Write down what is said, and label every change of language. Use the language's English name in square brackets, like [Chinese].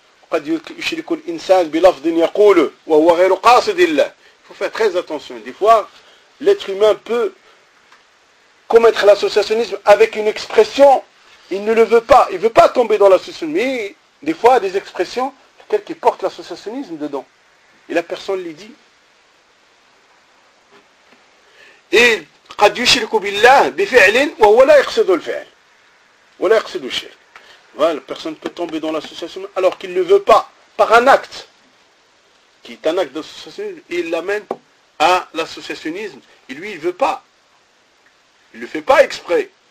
[Arabic] قد يشرك الانسان بلفظ يقوله وهو غير قاصد الله. [French] Il faut faire très attention. Des fois, l'être humain peut commettre l'associationnisme avec une expression, il ne le veut pas. Il ne veut pas tomber dans l'associationnisme. Mais des fois, des expressions, telles qu'il porte l'associationnisme dedans. Et la personne les dit. [Arabic] Et قد يشرك بالله بفعل وهو لا يقصد الفعل. ولا يقصد الشرك. [French] Voilà, personne ne peut tomber dans l'association alors qu'il ne veut pas, par un acte, qui est un acte d'associationnisme, et il l'amène à l'associationnisme, et lui, il ne veut pas. Il ne le fait pas exprès.